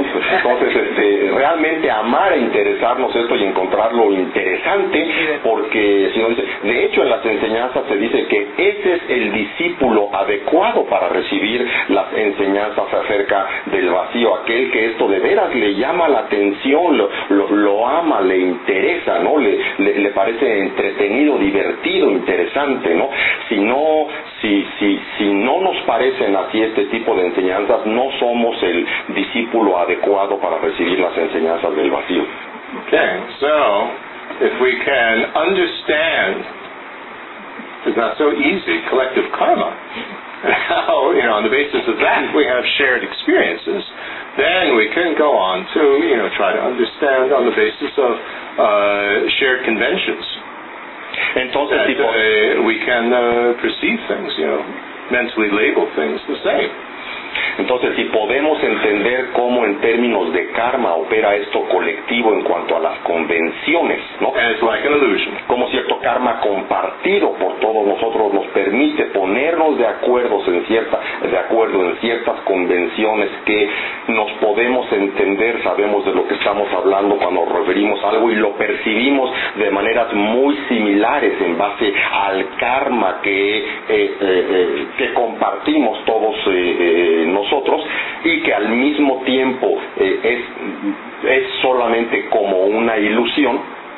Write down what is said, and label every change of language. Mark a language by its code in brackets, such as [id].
[es] Entonces, realmente amar e interesarnos esto y encontrarlo interesante, porque si no dice, de hecho en las enseñanzas se dice que ese es el discípulo adecuado para recibir las enseñanzas acerca del vacío, aquel que esto de veras le llama la atención, lo ama, le interesa, ¿no? Le parece entretenido, divertido, interesante, ¿no? Si no nos parecen así este tipo de enseñanzas, no somos el discípulo adecuado para recibir las enseñanzas del vacío. [en] Okay, so if we can understand, it's not so easy, collective karma, how, you know, on the basis of that we have shared experiences, then we can go on to, you know, try to understand on the basis of shared conventions. [es] Entonces, [en] that, [es] tipo, [en] we can perceive things, you know, mentally label things the same. [es] Entonces, si podemos entender cómo en términos de karma opera esto colectivo en cuanto a las convenciones, ¿no? [en] It's like an illusion. [es] Como cierto karma compartido por todos nosotros nos permite ponernos de acuerdo en cierta, de acuerdo en ciertas convenciones que nos podemos entender, sabemos de lo que estamos hablando cuando referimos algo y lo percibimos de maneras muy similares en base al karma que compartimos todos nosotros y que al mismo tiempo es solamente como una ilusión.